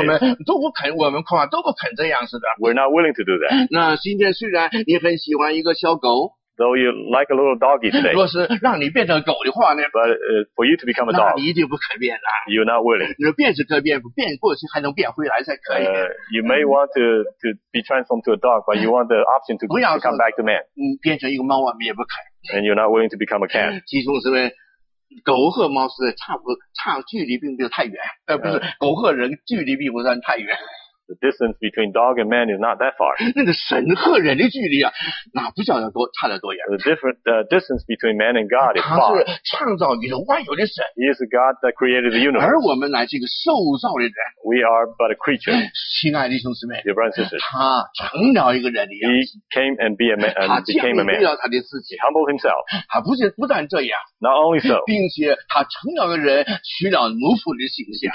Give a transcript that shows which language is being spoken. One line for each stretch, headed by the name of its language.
Chinese: 我们都不肯，我们恐怕都不肯这样子的。
English: We're not willing to do that.
Chinese: 那今天虽然你很喜欢一个小狗。
English: Though you like a little doggy today.
Chinese: 若是让你变成狗的话呢。
English: But for you to become a dog.
Chinese: 那你一定不肯变的。
English: You're not willing.
Chinese: 你变是可以变，变过去还能变回来才可以。
English: You may want to be transformed to a dog, but you want the option to come back to man.
Chinese: 变成一个猫我们也不肯。
English: And you're not willing to become a cat.
Chinese: 其中是为狗和猫是差距离并不太远。不是狗和人距离并不算太远。
English: The distance between dog and man is not that far.
Chinese: 那个神和人的距离啊，那不晓得多差得多远。
English: The different distance between man and God is far.
Chinese: 他是创造宇宙万有的神。
English: He is the God that created the universe.
Chinese: 而我们乃是一个受造的人。
English: We are but a creature.
Chinese: 亲爱的兄弟们。
English: Dear brothers and sisters.
Chinese: 他成了一个人的样子。
English: He came and be a man, and became a man.
Chinese: 他降卑了他的自己。
English: He humbled himself.
Chinese: 他不但这样。
English: Not only so.
Chinese: 并且他成了个人，取了奴仆的形象。